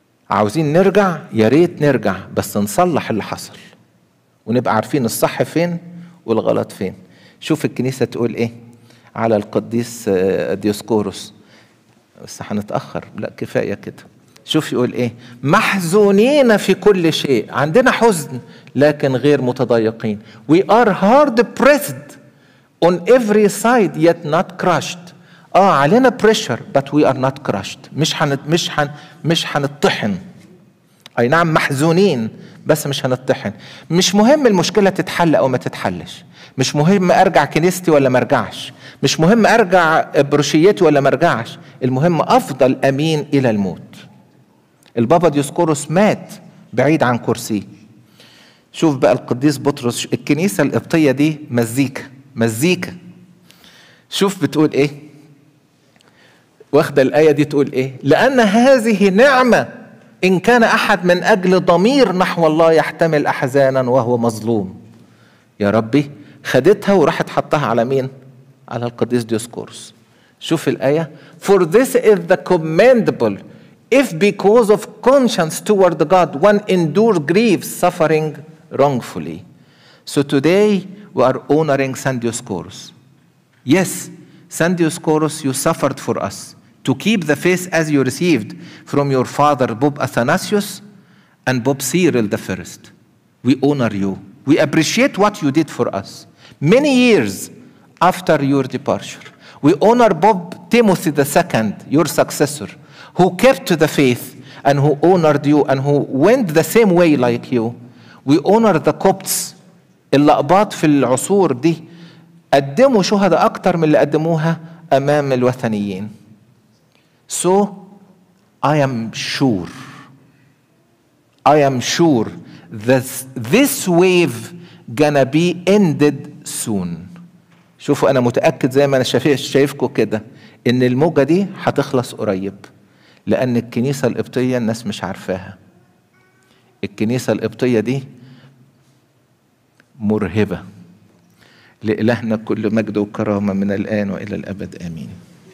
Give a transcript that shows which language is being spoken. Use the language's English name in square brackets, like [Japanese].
[Arabic] عاوزين نرجع؟ يا ريت نرجع بس نصلح اللي حصل ونبقى عارفين الصح فين والغلط فين. شوف الكنيسة تقول ايه على القديس ديوسكوروس. بس هنتأخر. لا كفاية كده. شوف يقول ايه. محزونين في كل شيء. عندنا حزن لكن غير متضايقين. [English] We are hard pressed on every side yet not crushed. [Arabic] علينا [English] pressure but we are not crushed. [Arabic] مش هنطحن. اي نعم محزونين بس مش هنطحن. مش مهم المشكلة تتحل او ما تتحلش. مش مهم ارجع كنيستي ولا ما ارجعش. مش مهم ارجع بروشيتي ولا ما ارجعش. المهم افضل امين الى الموت. البابا ديوسكوروس مات بعيد عن كرسي. شوف بقى القديس بطرس. الكنيسة القبطية دي مزيكة مزيكة. شوف بتقول ايه. واخد الآية دي تقول ايه. لان هذه نعمة إن كان أحد من أجل ضمير نحو الله يحتمل أحزانا وهو مظلوم. يا ربي خدتها وراحت حطها على مين؟ على القديس ديوسكوروس. شوف الآية. [English] For this is the commendable if because of conscience toward God one endure grief suffering wrongfully. So today we are honoring San Dioscorus. Yes, San Dioscorus, you suffered for us. To keep the faith as you received from your father Bob Athanasius and Bob Cyril the first. We honor you. We appreciate what you did for us. Many years after your departure. We honor Bob Timothy the second, your successor, who kept the faith and who honored you and who went the same way like you. We honor the Copts. [Arabic] اللقبات في العصور دي قدموا شهداء أكتر من اللي قدموها أمام الوثنيين. [English] So I am sure. I am sure that this wave gonna be ended soon. [Arabic] شوفوا أنا متأكد زي ما أنا شايفكم كده إن الموجة دي هتخلص قريب. لأن الكنيسة القبطية الناس مش عارفاها. الكنيسة القبطية دي مرهبة. لإلهنا كل مجد وكرامة من الآن وإلى الأبد آمين.